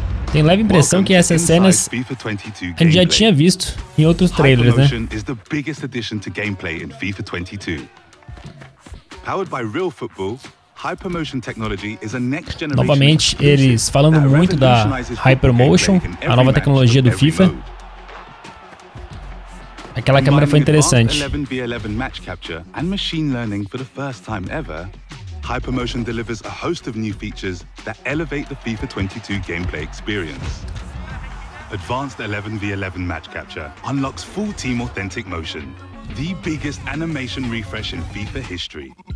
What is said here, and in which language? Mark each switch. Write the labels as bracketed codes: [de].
[pt] Tem leve impressão que essas cenas a gente já tinha visto em outros trailers, né? [en] Hypermotion is the biggest addition to gameplay in FIFA 22. Powered by Real Football, Hypermotion technology is a next generation. [pt] Novamente eles falando muito da Hypermotion, a nova tecnologia do FIFA. Aquela câmera foi interessante. [en] 11v11 match capture and machine learning for the first time ever. Hypermotion delivers a host of new features that elevate the FIFA 22 gameplay experience. Advanced 11v11 match capture unlocks full team authentic motion, the biggest animation refresh in FIFA history.